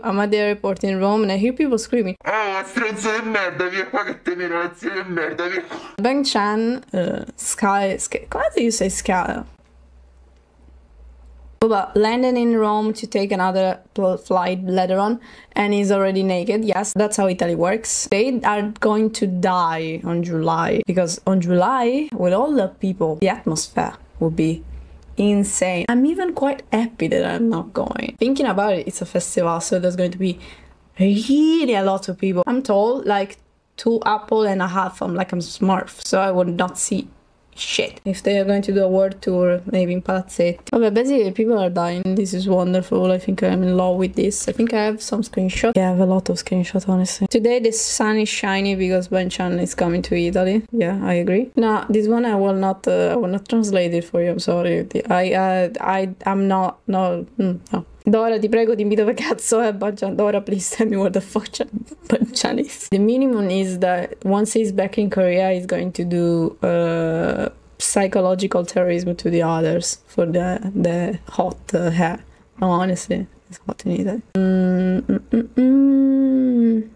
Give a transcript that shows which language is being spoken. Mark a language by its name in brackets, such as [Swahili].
[English] I'm at the airport in Rome and I hear people screaming. [Italian] Oh, stronzo di merda, mi fa che te mi razzi di merda. [English] Bang Chan, Sky, come do you say Sky? But landing in Rome to take another flight later on, and he's already naked. Yes, that's how Italy works. They are going to die on July, because on July, with all the people, the atmosphere will be insane. I'm even quite happy that I'm not going. Thinking about it, it's a festival, so there's going to be really a lot of people. I'm tall, like 2.5 apples. I'm like, I'm smart, so I would not see shit. If they are going to do a world tour, maybe in Palazzetti. Okay, basically, people are dying. This is wonderful. I think I'm in love with this. I think I have some screenshots. Yeah, I have a lot of screenshots, honestly. Today, the sun is shiny because Ben-chan is coming to Italy. Yeah, I agree. No, this one I will not translate it for you. I'm sorry. I'm not... No. [Italian] Dora, ti prego, dimmi dove cazzo è Bajan. [English] Dora, please tell me where the fuck Bajan is. The minimum is that once he's back in Korea, he's going to do psychological terrorism to the others for the hot hair. No, honestly, it's hot in Italy.